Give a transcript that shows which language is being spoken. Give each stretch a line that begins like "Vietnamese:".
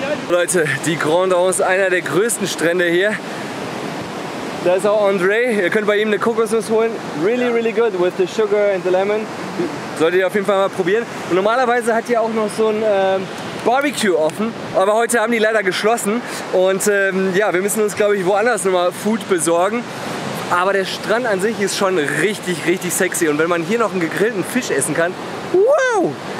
German: Leute, die Grand Anse, einer der größten Strände hier. Da ist auch André. Ihr könnt bei ihm eine Kokosnuss holen.
English: Really, really good with the sugar and the lemon.
German: Solltet ihr auf jeden Fall mal probieren. Und normalerweise hat die auch noch so ein Barbecue offen. Aber heute haben die leider geschlossen. Und ja, wir müssen uns, glaube ich, woanders nochmal Food besorgen. Aber der Strand an sich ist schon richtig, richtig sexy. Und wenn man hier noch einen gegrillten Fisch essen kann, wow!